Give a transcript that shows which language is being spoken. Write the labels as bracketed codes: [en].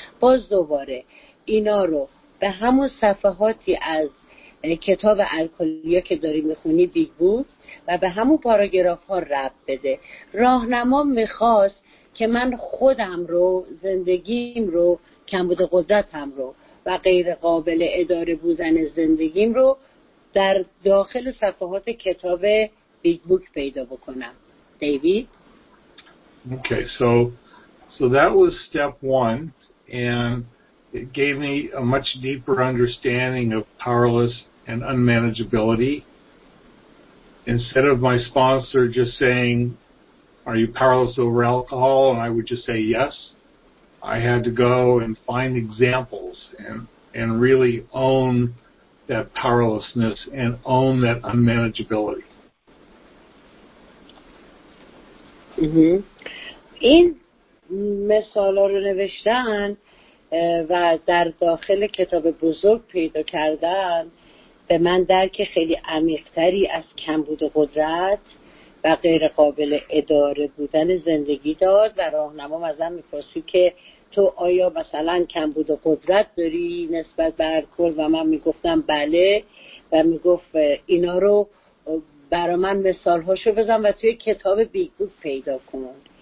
[fa] باز دوباره اینا رو به همون صفحاتی از کتاب الکلیا که داری میخونی بیگ بوک و به همون پاراگراف ها رب بده. راهنما میخواست که من خودم رو، زندگیم رو، کمبود قدرتم رو و غیر قابل اداره بودن زندگیم رو در داخل صفحات کتاب بیگ بوک پیدا بکنم. دیوید؟ [en] Okay, so that was step one, and it gave me a much deeper understanding of powerless and unmanageability. Instead of my sponsor just saying, are you powerless over alcohol? And I would just say yes. I had to go and find examples and really own that powerlessness and own that unmanageability. Mm-hmm. [fa] این مثالا رو نوشتن و در داخل کتاب بزرگ پیدا کردن به من درک خیلی عمیق‌تری از کمبود قدرت و غیر قابل اداره بودن زندگی داد و راهنمام ازم می‌پرسی که تو آیا مثلا کمبود قدرت داری نسبت به الکل؟ و من میگفتم بله و میگفت اینا رو برا من مثالهاشو بزن و توی کتاب بیگ بوک پیدا کن.